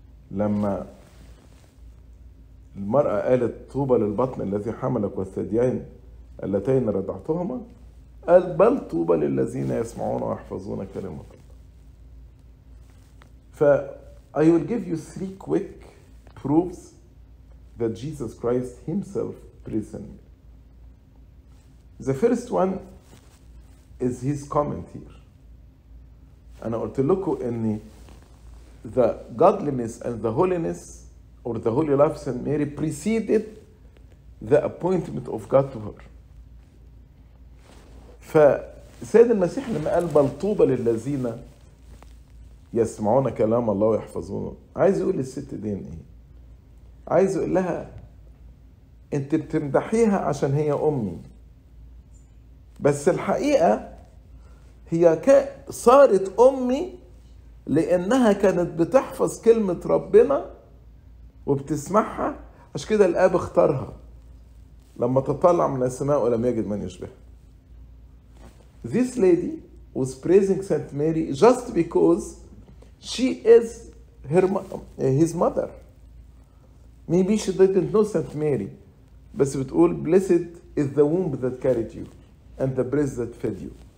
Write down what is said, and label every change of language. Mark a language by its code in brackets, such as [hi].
[ar] لما المرأة قالت طوبى للبطن الذي حملك والثديين اللتين رضعتهما قال بل طوبى للذين يسمعون ويحفظون كلمة الله. [en] I will give you three quick proofs that Jesus Christ himself praised me. The first one is his comment here. [ar] انا قلت لكم اني [en] the godliness and the holiness or the holy life of Saint Mary preceded the appointment of God to her. [ar] فسيد المسيح لما قال بل طوبى للذين يسمعون كلام الله ويحفظونه عايز يقول للست دي ايه؟ عايز يقول لها انت بتمدحيها عشان هي امي بس الحقيقة هي صارت امي لأنها كانت بتحفظ كلمة ربنا وبتسمعها عشان كده الآب اختارها لما تطلع من السماء ولم يجد من يشبه. [en] This lady was praising Saint Mary just because she is his mother. Maybe she didn't know Saint Mary [ar] بس بتقول [en] blessed is the womb that carried you and the breast that fed you.